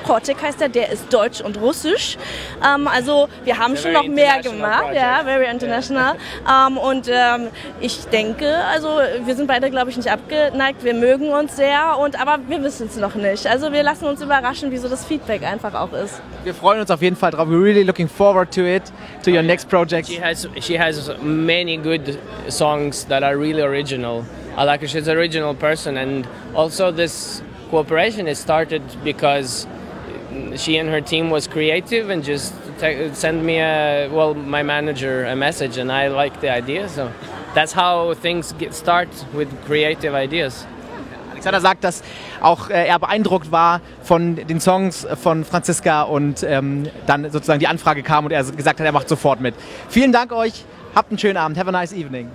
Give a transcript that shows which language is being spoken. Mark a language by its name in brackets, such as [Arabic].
[German] Kortik heißt der ist deutsch und russisch. Also wir haben schon noch mehr gemacht. [English] Project. Ja, very international. Yeah. [German] ich denke, also wir sind beide, glaube ich, nicht abgeneigt. Wir mögen uns sehr, aber wir wissen es noch nicht. Also wir lassen uns überraschen, wie so das Feedback einfach auch ist. Wir freuen uns auf jeden Fall drauf. [English] We're really looking forward to it. To your next project. She has many good songs that are really original. I like her, she's an original person, and also this cooperation is started because she and her team was creative and just sent me my manager a message, and I like the idea, so that's how things get start with creative ideas. [German] Alexander sagt, dass auch er beeindruckt war von den Songs von Franziska und dann sozusagen die Anfrage kam und er gesagt hat, er macht sofort mit. Vielen Dank euch, habt einen schönen Abend, [English] have a nice evening.